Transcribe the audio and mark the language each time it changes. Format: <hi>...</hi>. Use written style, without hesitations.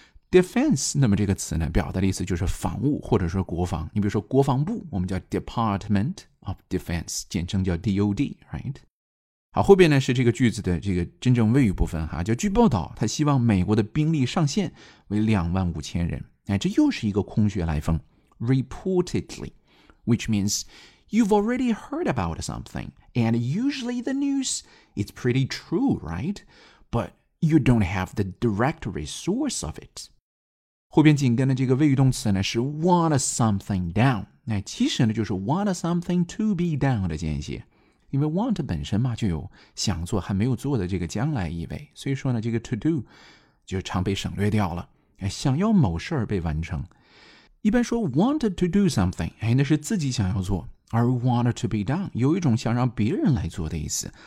<zh>Defense 那么这个词呢表达的意思就是防务或者说国防你比如说国防部我们叫 Department of Defense 简称叫 DOD right 好后边呢是这个句子的这个真正谓语部分哈就据报道他希望美国的兵力上限为25,000人。哎这又是一个空穴来风。</zh> <en>Reportedly, which means you've already heard about something, and usually the news is pretty true, right? But you don't have the direct resource of it.</en> <zh>后边紧跟的这个谓语动词呢是</zh> <en>want something down,</en> <zh>哎其实呢就是</zh> <en>want something to be down</en> <zh>的间歇。因为 want 本身嘛就有想做还没有做的这个将来意味所以说呢这个 to do 就常被省略掉了、哎、想要某事儿被完成一般说</zh> <en>want to do something、</en> <zh>哎、那是自己想要做而</zh> <en>want to be done</en> <zh>有一种想让别人来做的意思</zh>